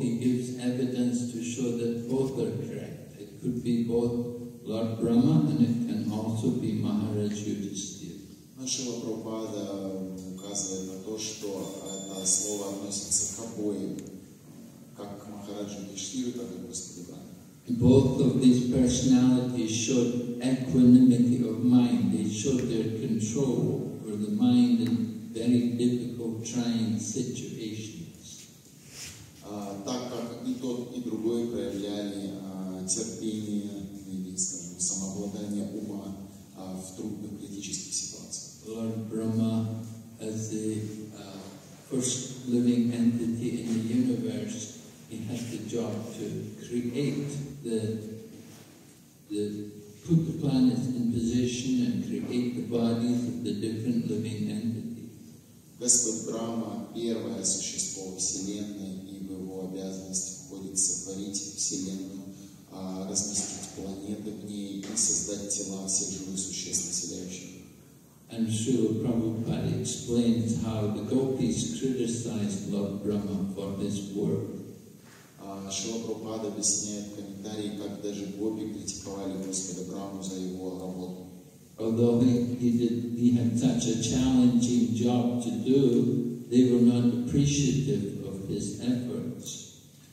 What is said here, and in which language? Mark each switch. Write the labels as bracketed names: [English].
[English] He gives evidence to show that both are correct. It could be both Lord Brahma and it can also be Maharaj Yudhisthira. [Russian] Srila Prabhupada указывает на то, что это слово относится к обоим, как к Махараджу Юдхиштхире, так и к Господу Брахме. [English] Both of these personalities showed equanimity of mind. They showed their control over the mind and very difficult trying situations. [Russian] Так как и тот, и другой проявляли терпение, или, скажем, самообладание ума в трудных критических ситуациях. [English] Lord Brahma as the first living entity in the universe, he has the job to create the put the planets in position and create the bodies of the different living entities. [Russian] Господь Брахма — первое существо Вселенной, и в его обязанности входит сотворить Вселенную, разместить планеты в ней и создать тела всех живых существ, населяющих. [English] And Srila Prabhupada explains how the gopis criticized Lord Brahma for this work. [Russian] Srila Prabhupada объясняет в комментарии, как даже гопи критиковали Господа Брахму за его работу. [English] Although he had such a challenging job to do, they were not appreciative of his efforts.